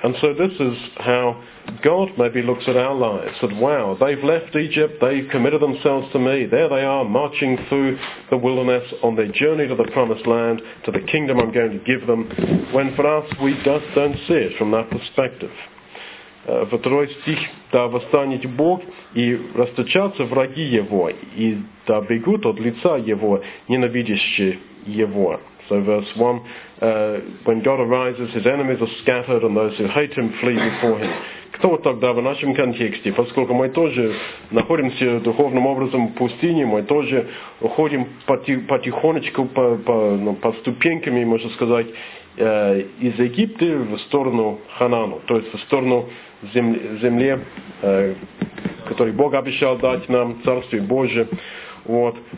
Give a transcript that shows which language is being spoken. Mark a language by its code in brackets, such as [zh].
[en] And so this is how God maybe looks at our lives, that wow, they've left Egypt, they've committed themselves to me, there they are marching through the wilderness on their journey to the promised land, to the kingdom I'm going to give them, when for us we just don't see it from that perspective. [ru] Второй стих: «Да восстанет Бог, и расточатся враги Его, и да бегут от лица Его, ненавидящие Его». [en] So verse 1, when God arises, his enemies are scattered, and those who hate him flee before him. [ru] Кто тогда в нашем контексте, поскольку мы тоже находимся духовным образом в пустыне, мы тоже уходим потихонечку, по ступеньками, можно сказать, из Египта в сторону Ханану, то есть в сторону земли, которую Бог обещал дать нам, Царствие Божие. Вот.